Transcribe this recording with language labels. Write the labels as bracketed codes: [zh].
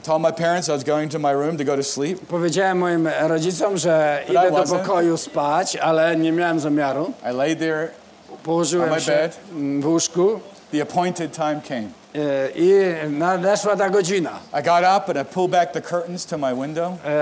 [en] Told my parents I was going to my room to go to sleep. [pl] Powiedziałem moim rodzicom, że idę do pokoju spać, ale nie miałem zamiaru. [en] I lay there. [pl] Położyłem się w łóżku. [en] The appointed time came. [pl] I nadeszła ta godzina. [en] I got up and I pulled back the curtains to my window.